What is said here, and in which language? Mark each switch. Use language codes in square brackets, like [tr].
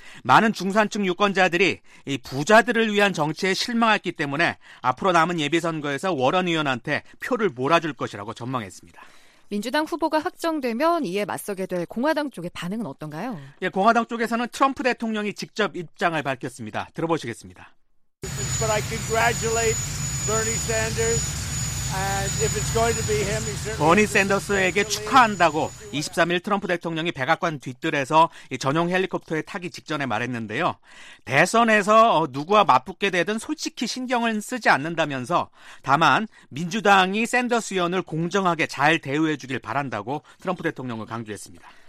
[ko] 많은 중산층 유권자들이 이 부자들을 위한 정치에 실망했기 때문에 앞으로 남은 예비선거에서 워런 의원한테 표를 몰아줄 것이라고 전망했습니다. 민주당 후보가 확정되면 이에 맞서게 될 공화당 쪽의 반응은 어떤가요? 예, 공화당 쪽에서는 트럼프 대통령이 직접 입장을 밝혔습니다. 들어보시겠습니다. [en] But I congratulate Bernie Sanders. And if it's going to be him, he certainly. [ko] 버니 샌더스에게 축하한다고 23일 트럼프 대통령이 백악관 뒤뜰에서 전용 헬리콥터에 타기 직전에 말했는데요. 대선에서 누구와 맞붙게 되든 솔직히 신경을 쓰지 않는다면서 다만 민주당이 샌더스 의원을 공정하게 잘 대우해 주길 바란다고 트럼프 대통령을 강조했습니다.